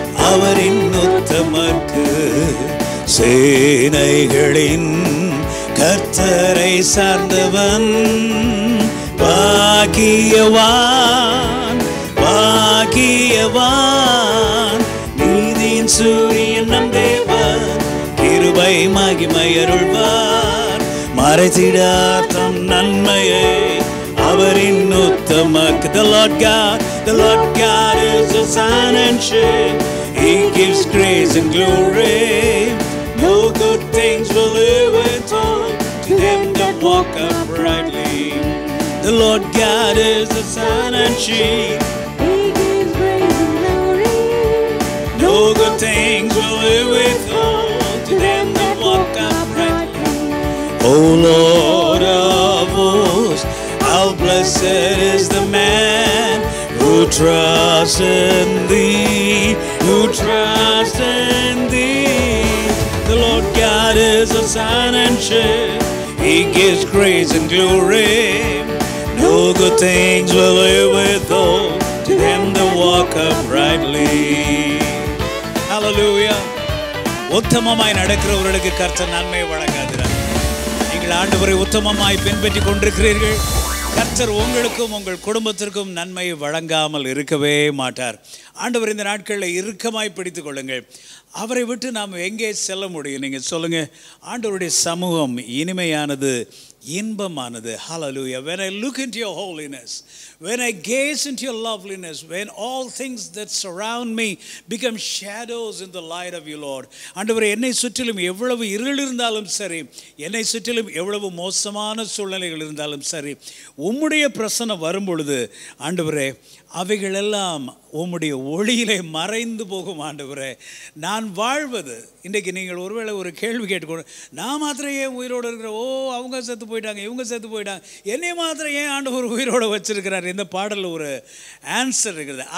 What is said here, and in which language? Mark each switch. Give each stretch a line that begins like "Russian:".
Tamil: அவரின் உத்தமர்க்கு. சேனைகளின் கர்த்தரை சார்ந்தவன் பாக்கியவான், பாக்கியவான். நீதியின் சூரியன் நம் தேவன் கிருபை மகிமை அருள்வார், மறைத்திடார்த்தம் நன்மையே அவரின் உத்தமக்கு.
English: The Lord God, the Lord God is a sun and shield, He gives grace and glory. No good things will live with all them that walk uprightly. The Lord God is a sun and shield, He gives grace and glory. No good things will we withhold to them that walk uprightly. O Lord of hosts, how blessed is the man who trusts in Thee, who trusts in Thee. The Lord God is a sign and shield. He gives grace and glory. No good things will he withhold to them that walk uprightly. Hallelujah.
Tamil: உத்தமமாய் நடக்கிறவர்களுக்கு கர்த்தர் நன்மை வழங்காதிரார். நீங்கள் ஆண்டவரை உத்தமமாய் பின்பற்றி கொண்டிருக்கிறீர்கள், கர்த்தர் உங்களுக்கும் உங்கள் குடும்பத்திற்கும் நன்மை வழங்காமல் இருக்கவே மாட்டார். ஆண்டவர் இந்த நாட்களில் இறுக்கமாய் பிடித்து கொள்ளுங்கள். அவரை விட்டு நாம் எங்கே செல்ல முடியும் நீங்கள் சொல்லுங்கள். ஆண்டவருடைய சமூகம் இனிமையானது, இன்பமானது. ஹல்லேலூயா.
English: When I look into your holiness, when I gaze into your loveliness, when all things that surround me become shadows in the light of you, Lord.
Tamil: ஆண்டவரே, என்னை சுற்றிலும் எவ்வளவு இருள் இருந்தாலும் சரி, என்னை சுற்றிலும் எவ்வளவு மோசமான சூழ்நிலைகள் இருந்தாலும் சரி, உம்முடைய பிரசன்னம் வரும்பொழுது ஆண்டவரே, அவைகளெல்லாம் உம்முடைய ஒளியிலே மறைந்து போகும். ஆண்டவரே, நான் வாழ்வது, இன்றைக்கு நீங்கள் ஒருவேளை ஒரு கேள்வி கேட்டுக்கொண்டு, நான் மாத்திரம் ஏன் உயிரோடு இருக்கிற, ஓ அவங்க செத்து போயிட்டாங்க, இவங்க செத்து போயிட்டாங்க, என்னை மாத்திரம் ஏன் ஆண்டவர் உயிரோடு வச்சிருக்கிறார், இந்த பாடலில் ஒரு ஆன்சர் இருக்கிறது.